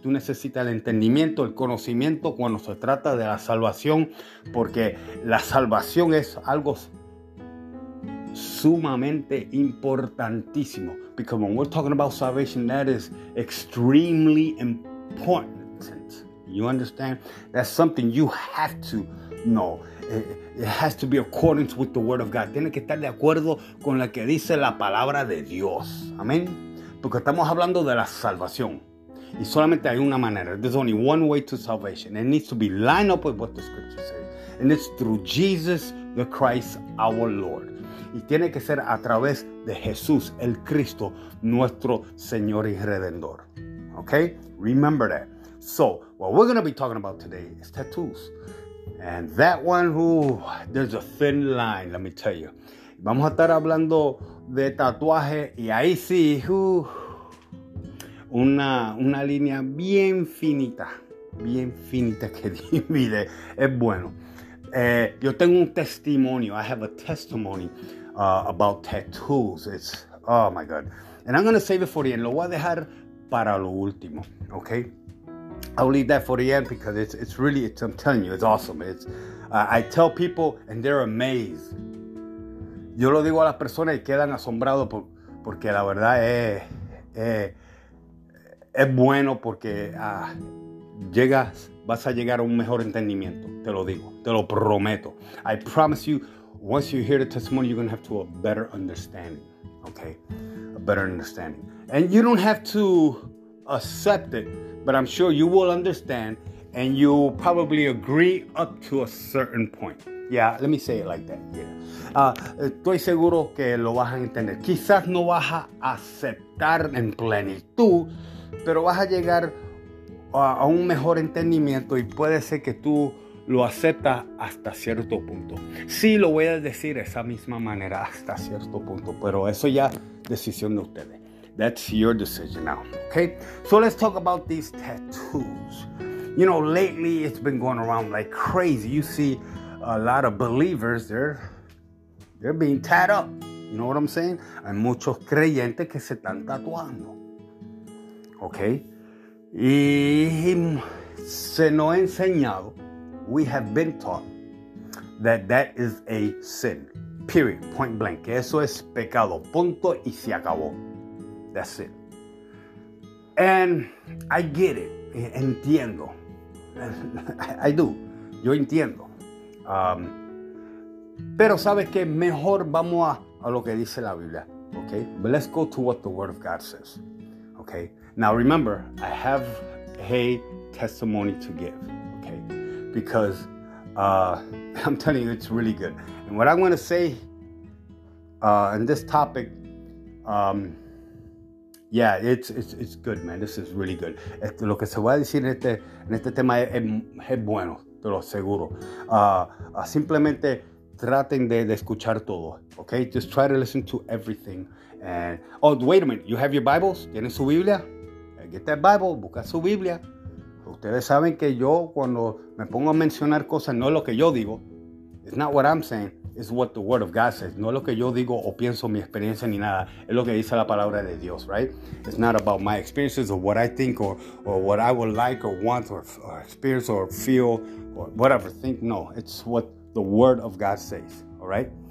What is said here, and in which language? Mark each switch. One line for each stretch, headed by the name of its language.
Spanish: Tú necesitas el entendimiento, el conocimiento cuando se trata de la salvación, porque la salvación es algo sumamente importantísimo.
English: Because when we're talking about salvation, that is extremely important. You understand? That's something you have to know. It has to be according to with the word of God.
Spanish: Tiene que estar de acuerdo con lo que dice la palabra de Dios. Amén. Porque estamos hablando de la salvación. Y solamente hay una manera.
English: There's only one way to salvation. It needs to be lined up with what the scripture says. And it's through Jesus the Christ, our Lord.
Spanish: Y tiene que ser a través de Jesús, el Cristo, nuestro Señor y Redentor.
English: Okay? Remember that. So, what we're going to be talking about today is tattoos. And that one, there's a thin line, let me tell you.
Spanish: Vamos a estar hablando de tatuaje. Y ahí sí, una línea bien finita. Bien finita que divide. Es bueno. Yo tengo un testimonio.
English: I have a testimony about tattoos. It's, oh my God. And I'm going to save it for the end.
Spanish: Lo voy a dejar para lo último.
English: Okay? I'll leave that for the end because it's really, I'm telling you, it's awesome. I tell people and they're amazed.
Spanish: Yo lo digo a las personas y quedan asombrados porque la verdad es bueno porque vas a llegar a un mejor entendimiento. Te lo digo, te lo prometo.
English: I promise you, once you hear the testimony, you're going to have to a better understanding. Okay? A better understanding. And you don't have to accept it, but I'm sure you will understand and you will probably agree up to a certain point. Yeah, let me say it like that. Yeah.
Spanish: Estoy seguro que lo vas a entender. Quizás no vas a aceptar en plenitud, pero vas a llegar a un mejor entendimiento y puede ser que tú lo aceptas hasta cierto punto. Sí, lo voy a decir de esa misma manera, hasta cierto punto, pero eso ya decisión de ustedes.
English: That's your decision now, okay? So let's talk about these tattoos. You know, lately it's been going around like crazy. You see a lot of believers, they're being tied up. You know what I'm saying?
Spanish: Hay muchos creyentes que se están tatuando, okay? Y se nos ha enseñado,
English: we have been taught, that is a sin, period, point blank.
Spanish: Que eso es pecado, punto y se acabó.
English: That's it. And I get it. Entiendo. I do.
Spanish: Yo entiendo. Pero sabes que mejor vamos a lo que dice la Biblia.
English: Okay? But let's go to what the Word of God says. Okay? Now remember, I have a testimony to give. Okay? Because I'm telling you, it's really good. And what I'm going to say in this topic... Yeah, it's good, man. This is really good.
Spanish: Lo que se va a decir en este tema es bueno, te lo aseguro. Simplemente traten de escuchar todo, okay?
English: Just try to listen to everything. And wait a minute. You have your Bibles?
Spanish: ¿Tienen su Biblia?
English: Get that Bible.
Spanish: Busca su Biblia. Ustedes saben que yo cuando me pongo a mencionar cosas, no es lo que yo digo.
English: It's not what I'm saying. It's what the Word of God says.
Spanish: No es lo que yo digo o pienso, mi experiencia ni nada. Es lo que dice la palabra de Dios, right?
English: It's not about my experiences or what I think or what I would like or want or experience or feel or whatever. Think, no. It's what the Word of God says, all right?